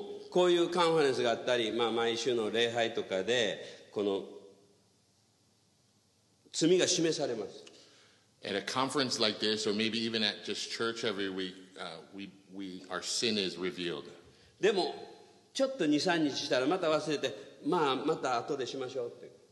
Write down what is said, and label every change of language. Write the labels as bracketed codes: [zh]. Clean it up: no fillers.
[ja] こういうカンファレンスがあったり、まあ、毎週の礼拝とかでこの罪が示されます。 [en] At a conference like this or maybe even at just church every week, we our sin is revealed. [ja] でもちょっと 2,3 日したらまた忘れて、まあ、また後でしましょうって。